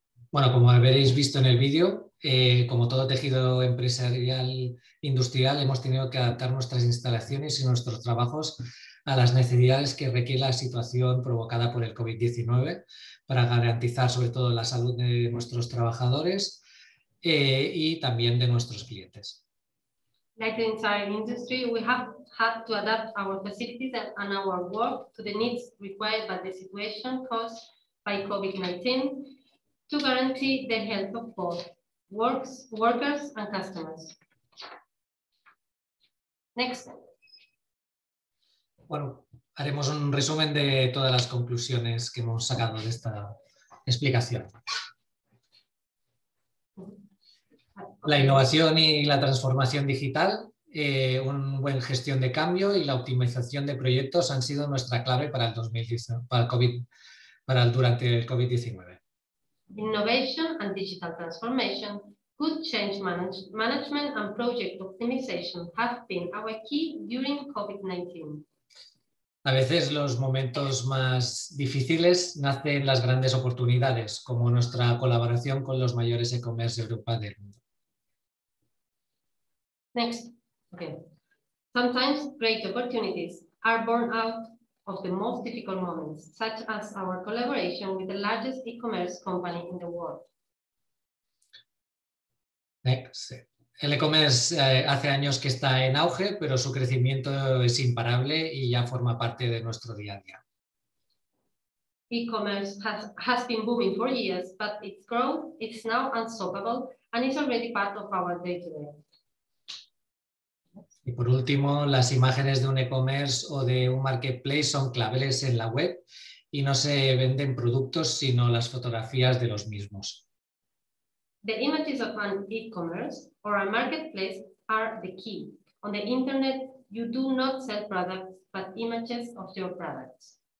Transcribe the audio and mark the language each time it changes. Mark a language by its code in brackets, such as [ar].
[es] Bueno, como habréis visto en el vídeo, como todo tejido empresarial industrial, hemos tenido que adaptar nuestras instalaciones y nuestros trabajos a las necesidades que requiere la situación provocada por el COVID-19 para garantizar sobre todo la salud de nuestros trabajadores y también de nuestros clientes. [en] Like the entire industry, we have had to adapt our facilities and our work to the needs required by the situation caused by COVID-19 to guarantee the health of both workers and customers. Next. [es] Bueno, haremos un resumen de todas las conclusiones que hemos sacado de esta explicación. La innovación y la transformación digital un buen gestión de cambio y la optimización de proyectos han sido nuestra clave para el 2019, para el COVID, para el, durante el COVID-19. [en] Innovation and digital transformation, good change management and project optimization have been our key during COVID-19. [es] A veces los momentos más difíciles nacen las grandes oportunidades, como nuestra colaboración con los mayores e-commerce de Europa del mundo. [en] Next. Okay. Sometimes great opportunities are born out of the most difficult moments, such as our collaboration with the largest e-commerce company in the world. Next. [es] El e-commerce hace años que está en auge, pero su crecimiento es imparable y ya forma parte de nuestro día a día. [en] E-commerce has been booming for years, but its growth is now unstoppable and is already part of our day-to-day. [es] Y por último, las imágenes de un e-commerce o de un marketplace son claves en la web y no se venden productos, sino las fotografías de los mismos. [en] The images of an e-commerce or a marketplace are the key. On the internet, you do not sell products, but images of your products.